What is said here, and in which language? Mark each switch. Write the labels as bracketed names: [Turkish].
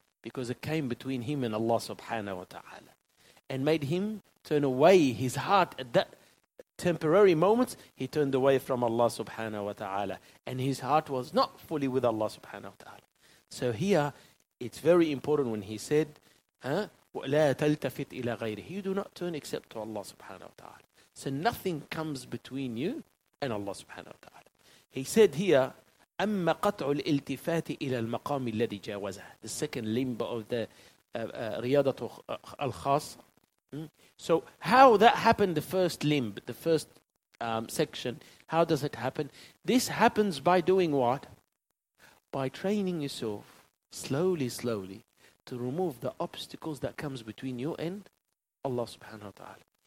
[English] Because it came between him and Allah subhanahu wa ta'ala. And made him turn away his heart at that temporary moments, he turned away from Allah subhanahu wa ta'ala. And his heart was not fully with Allah subhanahu wa ta'ala. So here, it's very important when he said, [Arabic] وَلَا تَلْتَفِتْ إِلَى غَيْرِهِ. [English] You do not turn except to Allah subhanahu wa ta'ala. So nothing comes between you and Allah subhanahu wa ta'ala. He said here, [Arabic] أَمَّا قَطْعُ الْإِلْتِفَاتِ إِلَى الْمَقَامِ الَّذِي جَاوَزَهَ. [English] The second limb of the riyadatu al-khas. So how that happened, the first limb, the first section, how does it happen? This happens by doing what? By training yourself slowly, slowly to remove the obstacles that comes between you and Allah subhanahu wa ta'ala.